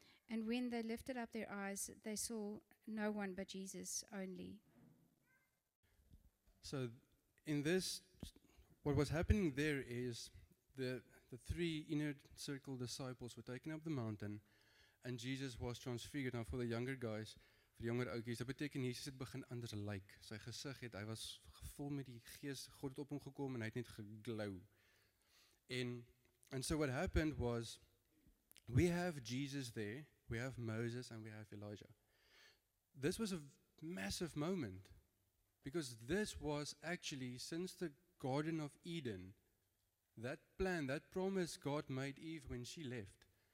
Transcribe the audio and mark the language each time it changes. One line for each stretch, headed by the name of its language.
English: And when they lifted up their eyes, they saw no one but Jesus only. So in this, what was happening there is the three inner circle disciples were taken up the mountain and Jesus was transfigured. Now for the younger guys, for the younger oukies,
Afrikaans: dat beteken Jesus het begin anders lyk. Sy gesig het, hy was gevul met die gees, God het op hom gekom en hy het net geglow.
English: And so what happened was, we have Jesus there, we have Moses, and we have Elijah. This was a massive moment, because this was actually, since the Garden of Eden, that plan, that promise God made Eve when she left.